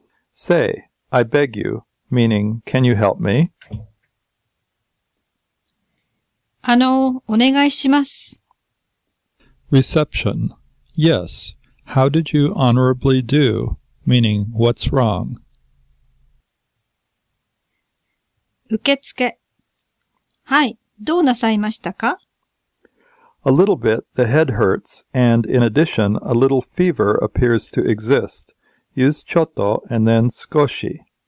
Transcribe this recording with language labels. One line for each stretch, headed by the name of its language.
English: Say, I beg you, meaning, can you help me?
Japanese: お願いします。
English: Reception. Yes. How did you honorably do? Meaning, what's wrong?
Japanese: 受付。はい、どうなさいましたか?
English: A little bit, the head hurts, and in addition, a little fever appears to exist. Use ちょっと and then 少し.